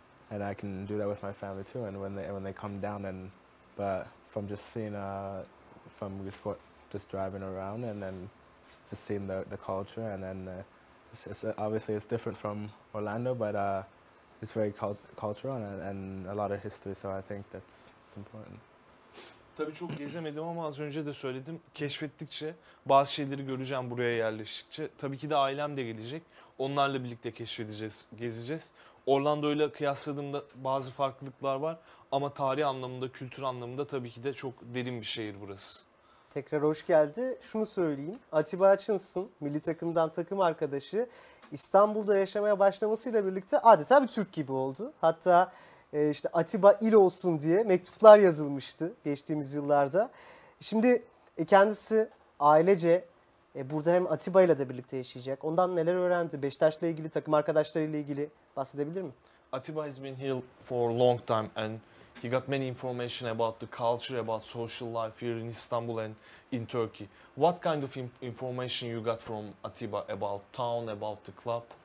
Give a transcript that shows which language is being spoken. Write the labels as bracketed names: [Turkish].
[English] I can do that with my family too, and when they come down, and but from just seeing from just driving around and then just seeing the culture, and then it's obviously it's different from Orlando, but it's very cultural and a lot of history, so I think that's important. [Turkish] Tabii çok gezemedim ama az önce de söyledim. Keşfettikçe bazı şeyleri göreceğim buraya yerleştikçe. Tabii ki de ailem de gelecek. Onlarla birlikte keşfedeceğiz, gezeceğiz. Orlando ile kıyasladığımda bazı farklılıklar var. Ama tarih anlamında, kültür anlamında tabii ki de çok derin bir şehir burası. Tekrar hoş geldi. Şunu söyleyeyim. Atiba Açınsın, milli takımdan takım arkadaşı, İstanbul'da yaşamaya başlamasıyla birlikte adeta bir Türk gibi oldu. Hatta İşte Atiba il olsun diye mektuplar yazılmıştı geçtiğimiz yıllarda. Şimdi kendisi ailece burada hem Atiba ile de birlikte yaşayacak. Ondan neler öğrendi? Beşiktaş ile ilgili, takım arkadaşları ile ilgili bahsedebilir mi? [English] Atiba has been here for a long time and he got many information about the culture, about social life here in Istanbul and in Turkey. What kind of information you got from Atiba about town, about the club?